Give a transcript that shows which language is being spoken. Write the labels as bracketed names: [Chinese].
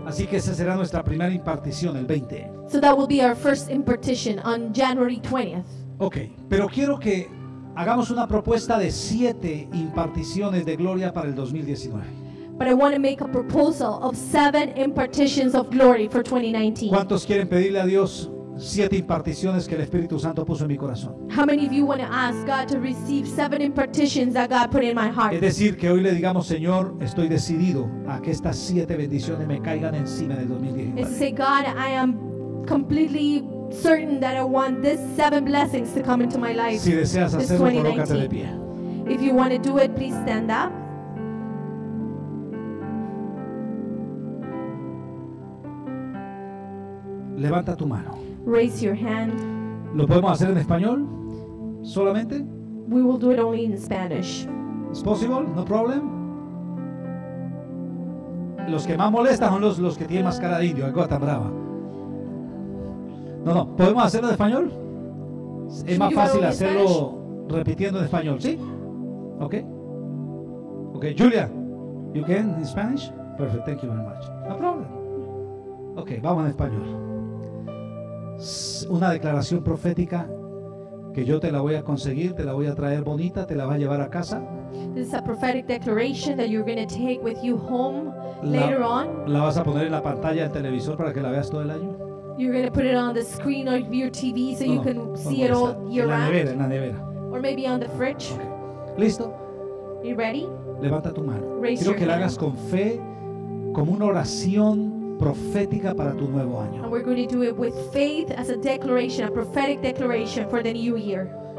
[Spanish] Así que esa será nuestra primera impartición el 20. [English] So that will be our first impartition on January 20th. [Spanish] Okay, pero quiero que hagamos una propuesta de 7 imparticiones de gloria para el 2019. [English] But I want to make a proposal of 7 impartitions of glory for 2019. [Spanish] ¿Cuántos quieren pedirle a Dios 7 imparticiones que el Espíritu Santo puso en mi corazón? [English] How many of you want to ask God to receive 7 impartitions that God put in my heart? [Spanish] Es decir, que hoy le digamos, Señor, estoy decidido a que estas 7 bendiciones me caigan encima del 2019. [English] It's to say, God, I am completely certain that I want these 7 blessings to come into my life. [Spanish] Si deseas hacerlo, colócate de pie. [English] If you want to do it, please stand up. [Spanish] Levanta tu mano. [English] Raise your hand. [Spanish] ¿Lo podemos hacer en español? ¿Solamente? [English] We will do it only in Spanish. [Spanish] ¿Es posible? [English] No problem. [Spanish] Los que más molestan son los que tienen más cara de indio, algo tan brava. No, ¿podemos hacerlo en español? Es más fácil hacerlo repitiendo en español, ¿sí? [English] Okay. Julia, you can in Spanish? Perfect, thank you very much. No problem. Okay, [Spanish] vamos en español. Una declaración profética que yo te la voy a conseguir, te la voy a traer bonita, te la va a llevar a casa. [English] This is a prophetic declaration that you're going to take with you home later on. [Spanish] La vas a poner en la pantalla del televisor para que la veas todo el año. [English] You're going to put it on the screen of your TV so you can see it all year round. [Spanish] En la nevera. [English] Or maybe on the fridge. [Spanish] Okay. Listo. [English] You ready? [Spanish] Levanta tu mano. [English] Raise [Spanish] Quiero [English] your [Spanish] que [English] hand. [Spanish] La hagas con fe, como una oración profética para tu nuevo año. [English] And we're going to do it with faith as a declaration, a prophetic declaration for the new year.